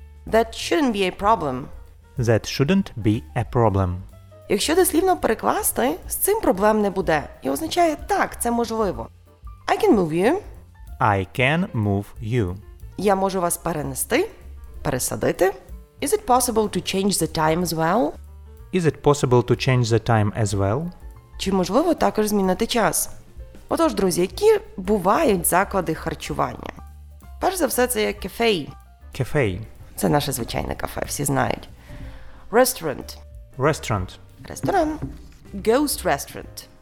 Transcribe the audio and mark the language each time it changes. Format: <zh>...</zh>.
<en>That shouldn't be a problem. That shouldn't be a problem.</en> <uk>Якщо дослівно перекласти, з цим проблем не буде. І означає, так, це можливо.</uk> <en>I can move you. I can move you.</en> <uk>Я можу вас перенести, пересадити.</uk> <en>Is it possible to change the time as well? Is it possible to change the time as well?</en> <uk>Чи можливо також змінити час? Отож, друзі, які бувають заклади харчування? Перш за все, це як кафе. Кафе. Це наше звичайне кафе, всі знають.</uk> <en>Restaurant. Restaurant.</en> <uk>Ресторан.</uk> <en>Ghost restaurant.</en>